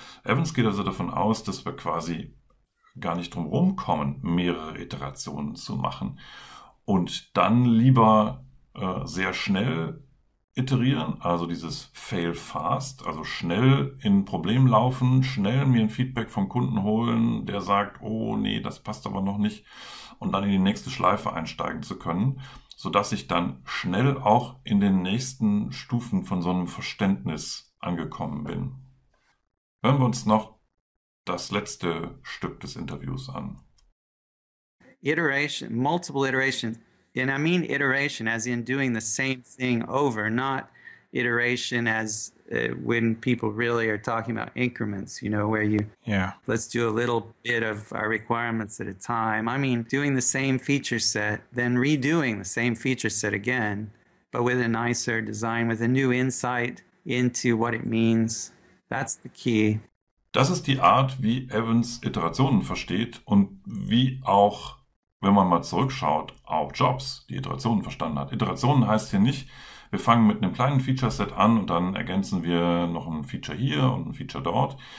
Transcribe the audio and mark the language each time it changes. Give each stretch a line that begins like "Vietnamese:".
German: Evans geht also davon aus, dass wir quasi gar nicht drum rumkommen, mehrere Iterationen zu machen und dann lieber sehr schnell iterieren, also dieses fail fast, also schnell in ein Problem laufen, schnell mir ein Feedback vom Kunden holen, der sagt, oh nee, das passt aber noch nicht, und dann in die nächste Schleife einsteigen zu können, sodass ich dann schnell auch in den nächsten Stufen von so einem Verständnis angekommen bin. Hören wir uns noch das letzte Stück des Interviews an.
English: Iteration, multiple iterations. And I mean iteration as in doing the same thing over, not iteration as when people really are talking about increments, you know, where you let's do a little bit of our requirements at a time. I mean doing the same feature set, then redoing the same feature set again, but with a nicer design, with a new insight into what it means. That's the key.
German: Das ist die Art, wie Evans Iterationen versteht und wie auch, wenn man mal zurückschaut, auch Jobs die Iterationen verstanden hat. Iterationen heißt hier nicht, wir fangen mit einem kleinen Feature-Set an und dann ergänzen wir noch ein Feature hier und ein Feature dort.